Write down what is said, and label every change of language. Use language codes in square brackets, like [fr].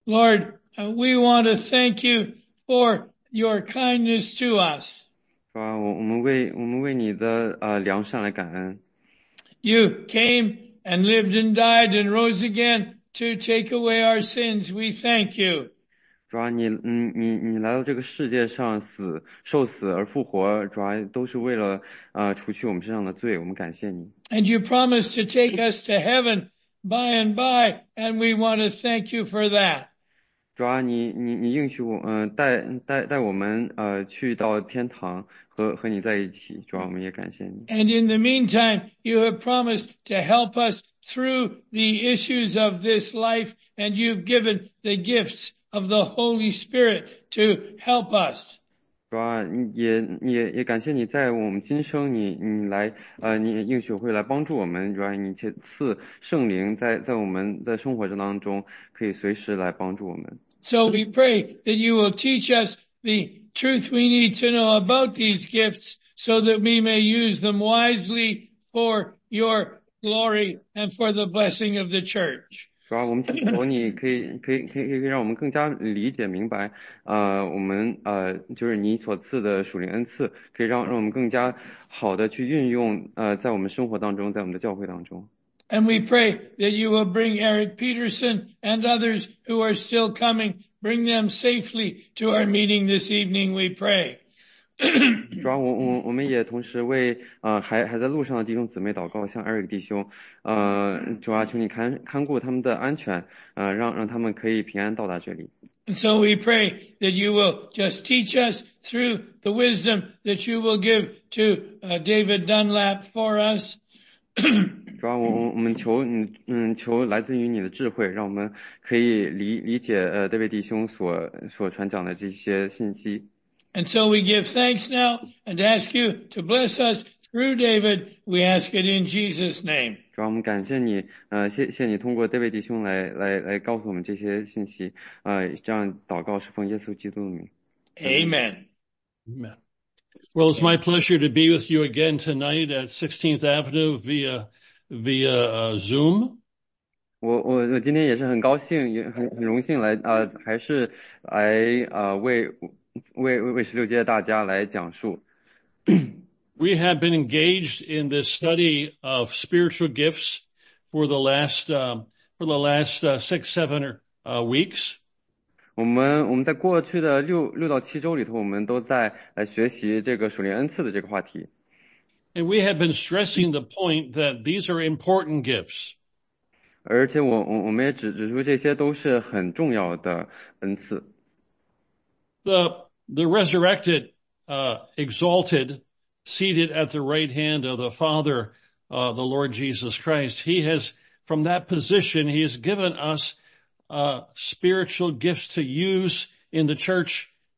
[en] Lord, we want to thank you for your kindness to us. [zh] 主啊，我们为你的良善来感恩。 [en] You came and lived and died and rose again to take away our sins. We thank you. [zh] 主啊，你来到这个世界上死受死而复活，主啊，都是为了除去我们身上的罪。我们感谢你。 [en] And you promised to take us to heaven by and by, and we want to thank you for that. [zh] 主啊，你应许我，带我们去到天堂和你在一起。主啊，我们也感谢你。 [en] And in the meantime, you have promised to help us through the issues of this life, and you've given the gifts of the Holy Spirit to help us. [zh] 主啊，也感谢你在我们今生你来你应许会来帮助我们，主啊，你且赐圣灵在我们的生活中当中可以随时来帮助我们。 [en] So we pray that you will teach us the truth we need to know about these gifts so that we may use them wisely for your glory and for the blessing of the church. [zh] 主啊，我们请求你可以让我们更加理解明白，我们就是你所赐的属灵恩赐，可以让我们更加好的去运用，在我们生活当中，在我们的教会当中。 [en] And we pray that you will bring Eric Peterson and others who are still coming, bring them safely to our meeting this evening, we pray. [zh] 主啊，我们也同时为还在路上的弟兄姊妹祷告，向 Eric 弟兄，主啊，求你看顾他们的安全，让他们可以平安到达这里。 [en] And so we pray that you will just teach us through the wisdom that you will give to David Dunlap for us. [zh] 主啊，我们求你，求来自于你的智慧，让我们可以理解David 弟兄所传讲的这些信息。 [en] And so we give thanks now and ask you to bless us through David. We ask it in Jesus' name. [zh] 主啊，我们感谢你，谢你通过 David 弟兄来告诉我们这些信息，这样祷告是奉耶稣基督的名。 [en] Amen. Amen. Well, it's my pleasure to be with you again tonight at 16th Avenue via Zoom. [zh] 我今天也是很高兴，也很荣幸来还是来为十六届大家来讲述。 [en] We have been engaged in this study of spiritual gifts for the last six, seven weeks. [zh] 我们在过去的六到七周里头，我们都在来学习这个属灵恩赐的这个话题。 [en] And we have been stressing the point that these are important gifts. [zh] 而且我们也指出这些都是很重要的恩赐。 [en] The resurrected, exalted, seated at the right hand of the Father, the Lord Jesus Christ. He has, from that position, he has given us, spiritual gifts to use in the church.